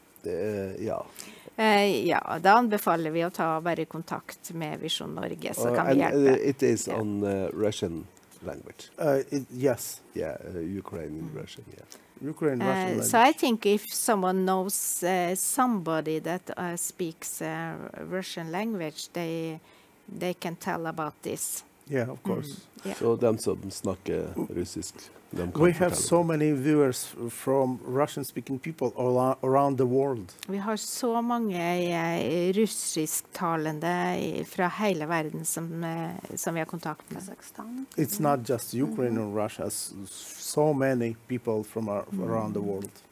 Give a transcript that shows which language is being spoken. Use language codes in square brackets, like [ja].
[no] Ja, da anbefaler vi å ta bare kontakt med Visjon Norge, så kan vi hjelpe. [en] It is on Russian language. Yes. Yeah, Ukrainian Russian, yeah. Ukraine, so I think if someone knows somebody that speaks Russian language, they can tell about this. Yeah, of course. [no] So them som snakker russisk, them [en] we have so many viewers from Russian speaking people all around the world. [no] Vi har så mange russisk talende fra hele verden som vi har kontakt med. [en] It's not just Ukraine and Russia, so many people from around the world.